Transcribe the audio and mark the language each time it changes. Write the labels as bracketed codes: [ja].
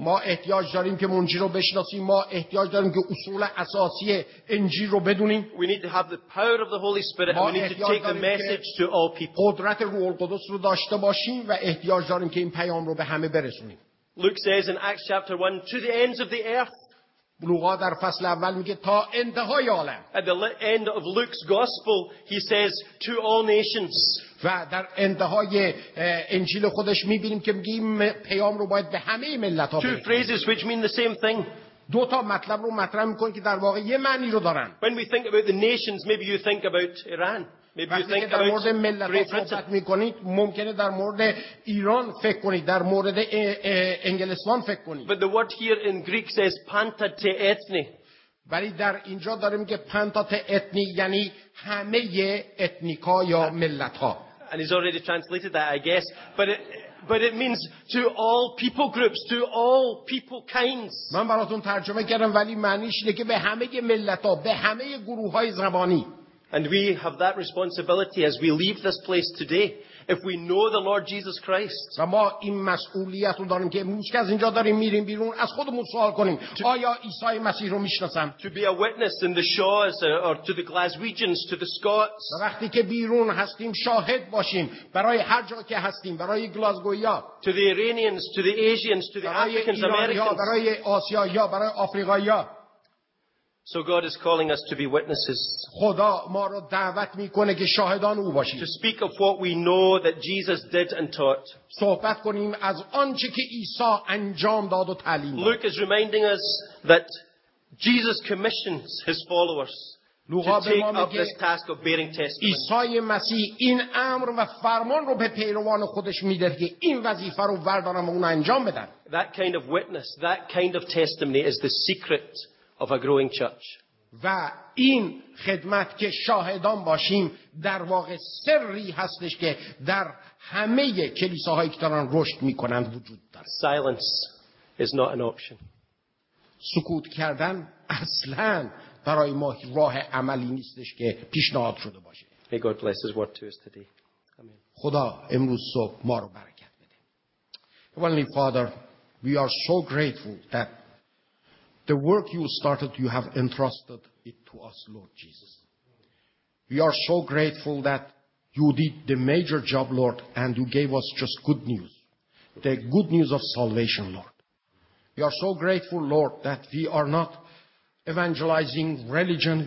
[fa] ما احتیاج داریم که منجی رو بشناسیم. ما احتیاج داریم که اصول اساسی انجیل رو بدونیم. [en] We need to have the power of the Holy Spirit. We need to take the message to all people. [fa] قدرت روح القدس رو داشته باشیم و احتیاج داریم که این پیام رو به همه برسونیم. [en] Luke says in Acts chapter 1 to the ends of the earth. [fa] لوقا در فصل اول میگه تا انتهای عالم. [en] At the end of Luke's gospel he says to all nations. [fa] و در انتهای انجیل خودش میبینیم که میگه پیام رو باید به همه ملت ها برسونیم. [en] Two phrases which mean the same thing. [fa] دو تا مطلب رو مطرح میکنه که در واقع یه معنی رو دارن. [en] When we think about the nations maybe you think about Iran. Maybe you think [fa] در مورد ملت ها صحبت میکنید ممکنه در مورد ایران فکر کنید، در مورد انگلستان فکر کنید. [en] But the word here in Greek says panta te ethne. [fa] ولی در اینجا داریم که panta te ethne یعنی همه اتنیکا یا ملت ها. [en] And he's already translated that, I guess. But it means to all people groups, to all people kinds. [fa] من براتون ترجمه کردم ولی معنیش اینه که به همه ملت ها، به همه گروه های زبانی. [en] And we have that responsibility as we leave this place today. If we know the Lord Jesus Christ. [fa] و ما این مسئولیت رو داریم که امروز که از اینجا داریم میریم بیرون از خودمون سوال کنیم. آیا عیسی مسیح رو میشناسم؟ [en] To be a witness in the Shaws or to the Glaswegians, to the Scots. [fa] وقتی که بیرون هستیم شاهد باشیم برای هر جا که هستیم، برای گلاسگویا. [en] To the Iranians, to the Asians, to the Africans, Americans. [fa] برای آسیایی ها، برای آفریقایی ها. [en] So God is calling us to be witnesses. [fa] خدا ما رو دعوت میکنه که شاهدان او باشیم. [en] To speak of what we know that Jesus did and taught. [fa] صحبت کنیم از آنچه که عیسی انجام داد و تعلیم داد. [en] Luke is reminding us that Jesus commissions his followers to take up this task of bearing testimony. [fa] عیسی مسیح این امر و فرمان رو به پیروان خودش میده که این وظیفه رو بردارن و اون انجام بدن. [en] That kind of witness, that kind of testimony is the secret of a growing church. [fa] و این خدمت که شاهدان باشیم در واقع سری هستش که در همه کلیساهایی که دارن رشد میکنند وجود دارد. [en] Silence is not an option. [fa] سکوت کردن اصلاً برای ما راه عملی نیستش که پیشنهاد شده باشه. [en] May God bless His word to us today. Amen. [fa] خدا امروز صبح ما رو برکت بده. [en] Heavenly Father, we are so grateful that the work you started, you have entrusted it to us, Lord Jesus. We are so grateful that you did the major job, Lord, and you gave us just good news. The good news of salvation, Lord. We are so grateful, Lord, that we are not evangelizing religion.